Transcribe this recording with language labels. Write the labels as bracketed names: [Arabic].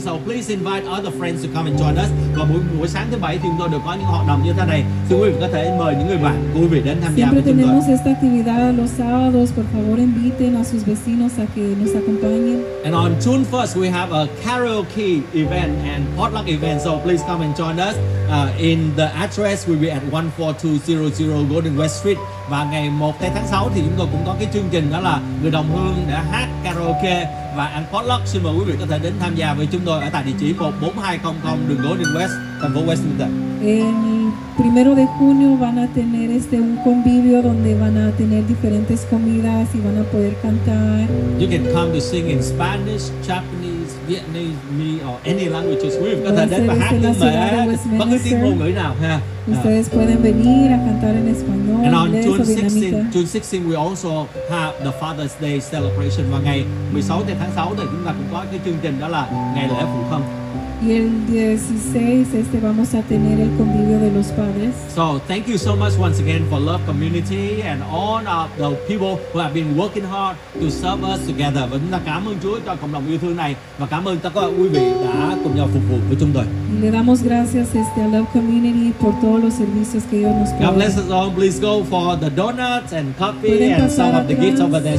[English] So please invite other friends to come and join us. [Vietnamese] Và buổi sáng thứ bảy thì chúng tôi được có những hoạt động như thế này. Thì quý vị có thể mời những người bạn của quý vị đến tham gia với chúng tôi. [Spanish] Siempre tenemos esta actividad los sábados. Por favor, inviten a sus vecinos a que nos acompañen. [English] And on June 1st, we have a karaoke event and potluck event. So please come and join us. In the address, we'll be at 14200 Golden West Street. [Vietnamese] Và ngày 1 tháng 6 thì chúng tôi cũng có cái chương trình đó là Người Đồng Hương đã hát karaoke và ăn potluck. Xin mời quý vị có thể đến tham gia với chúng tôi ở tại địa chỉ 14200 đường Golden West, thành phố Westminster. [Spanish] El primero de junio van a tener este un convivio donde van a tener diferentes comidas y van a poder cantar. [English] You can come to sing in Spanish, Japanese, Vietnamese, or any languages. We can come and hát in Westminster. [Vietnamese] Bất cứ tiếng ngôn ngữ nào ha. [Spanish] Ustedes pueden venir a cantar en español. [English] And on June 16th, we also have the Father's Day celebration. [Vietnamese] Và ngày 16 tháng 6 thì chúng ta cũng có cái chương trình đó là ngày lễ phụ thân. [Spanish] Y el 16 vamos a tener el convivio de los padres. [English] So thank you so much once again for Love Community and all of the people who have been working hard to serve us together. [Vietnamese] Và chúng ta cảm ơn Chúa cho cộng đồng yêu thương này và cảm ơn tất cả các quý vị đã cùng nhau phục vụ với chúng tôi. [Spanish] Le damos gracias a Love Community por todos los servicios que ellos nos proveen. [English] God bless us all. Please go for the donuts and coffee and some of the gifts over there.